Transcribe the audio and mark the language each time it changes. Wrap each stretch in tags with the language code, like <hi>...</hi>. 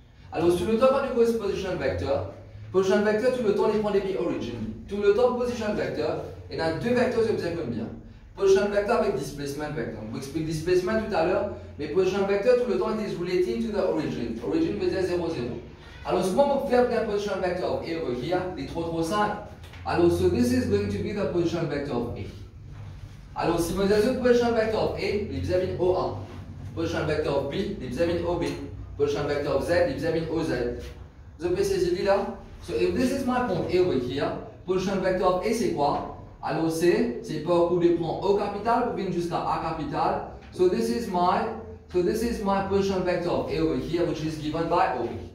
<fr>Alors, sur le top, on a position vector. Position vector, tout le temps, il prend des origines. Tout le temps, position vector, il y a deux vecteurs que vous avez comme bien. Position vector avec displacement vector. Vous expliquez displacement tout à l'heure, mais position vector, tout le temps, il est</fr> <en>relating to the origin.</en> <fr>Origin veut dire 0, 0. Alors, ce moment, vous pouvez appeler position vector et</fr> <en>over here,</en> <fr>il est trop simple.</fr> <en>Alors, so this is going to be the position vector A.</en> <fr>Alors, si vous avez une position vecteur A, il vous amène OA. Position vecteur B, il vous amène OB. Position vecteur Z, il vous amène OZ. Vous avez saisi là?</fr> <en>So, if this is my point A over here, position vecteur A</en> <fr>c'est quoi? Alors, c'est pas où je prends O capital, pour venir jusqu'à A capital.</fr> <en>So, this is my position vecteur A over here, which is given by O.</en>